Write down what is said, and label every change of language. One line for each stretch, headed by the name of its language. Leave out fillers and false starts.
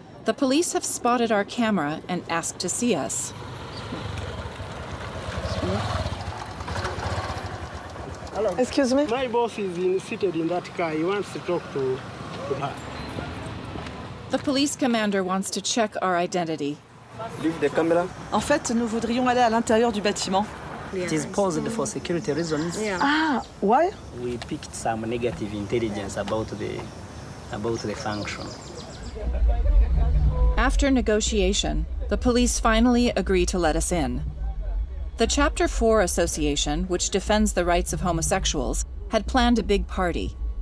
English: The police have spotted our camera and asked to see us. Hello. Excuse me? My boss is seated in that car. He wants to talk to her. The police commander wants to check our identity. Leave the camera.
French: En fait, nous voudrions aller à l'intérieur du bâtiment.
English: It is posed for security reasons. Yeah. Ah, why? We picked some negative intelligence about the function. After negotiation, the police finally agree to let us in. The Chapter 4 Association, which defends the rights of homosexuals, had planned a big party.